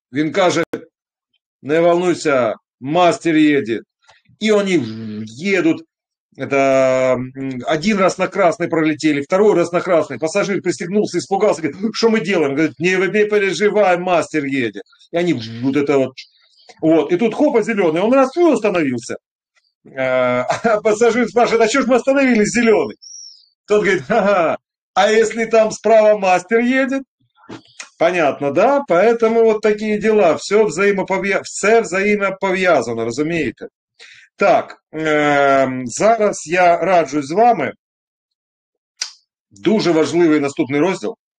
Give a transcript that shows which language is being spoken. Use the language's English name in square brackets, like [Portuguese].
[Ukrainian] Він каже: [Russian] "Не волнуйся, [Ukrainian] мастер їде". І вони їдуть. [Russian] Это один раз на красный пролетели, второй раз на красный. Пассажир пристегнулся, испугался, говорит: "Что мы делаем?" Говорит: не переживай, мастер едет". И они вот это вот. Вот. И тут хопа зеленый. Он раз остановился. А пассажир спрашивает: "А что ж мы остановились, зеленый?" Тот говорит: "Ага, а если там справа мастер едет?" Понятно, да? Поэтому вот такие дела. Все взаимоповязано, разумеете? [Ukrainian] Так, зараз я раджусь з вами. Дуже важливий наступний розділ.